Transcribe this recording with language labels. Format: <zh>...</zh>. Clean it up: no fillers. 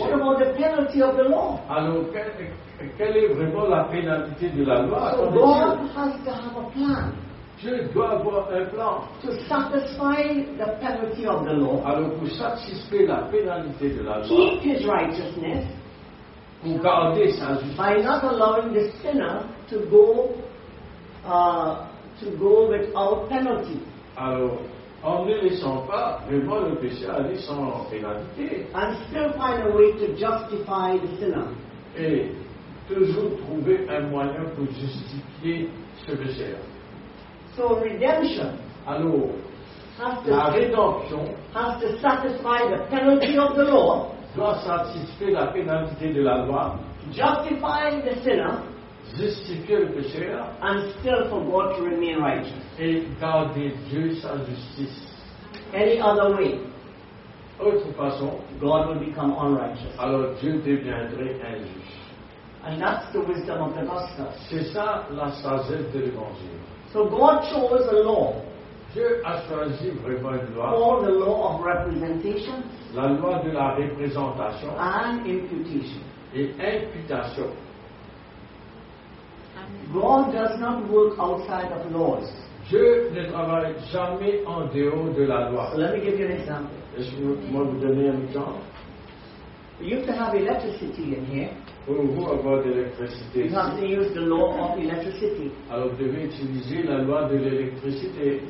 <en>What about the penalty of the law?</en> <fr>Alors, quelle est vraiment la pénalité de la loi?</fr> <en>So God has to have a plan.</en> <fr>Dieu doit avoir un plan.</fr> <en>To satisfy the penalty of the law.</en> <fr>Alors, pour satisfaire la pénalité de la loi.</fr> <en>Keep his righteousness.</en> <fr>Pour garder sa justice.</fr> <en>By not allowing the sinner to go without penalty.</en> <fr>Alors, en ne laissant pas vraiment le péché aller sans pénalité.</fr> <en>And still find a way to justify the sinner.</en> <fr>Et toujours trouver un moyen pour justifier ce péché.</fr> <en>So redemption.</en> <fr>Alors,</fr> <en>has to,</en> <fr>la rédemption.</fr> <en>Has to satisfy the penalty of the law.</en> <fr>Doit satisfaire la pénalité de la loi.</fr> <en>Justify the sinner.</en> <fr>Justifier le pécheur.</fr> <en>And still for God to remain righteous.</en> <fr>Et garder Dieu sa justice.</fr> <en>Any other way.</en> <fr>Autre façon.</fr> <en>God will become unrighteous.</en> <fr>Alors Dieu deviendrait injuste.</fr> <en>And that's the wisdom of the gospel.</en> <fr>C'est ça la sagesse de l'évangile.</fr> <en>So God chose a law.</en> <fr>Dieu a choisi vraiment une loi.</fr> <en>For the law of representation.</en> <fr>La loi de la représentation.</fr> <en>And imputation.</en> <fr>Et imputation.</fr> <en>God does not work outside of laws.</en> <fr>Dieu ne travaille jamais en dehors de la loi.</fr> <en>So let me give you an example.</en> <fr>Je vais vous donner un exemple.</fr> <en>You have to have electricity in here.</en> <fr>Pour vous avoir de l'électricité.</fr> <en>You have to use the law of electricity.</en> <fr>Alors vous devez utiliser la loi de l'électricité.</fr>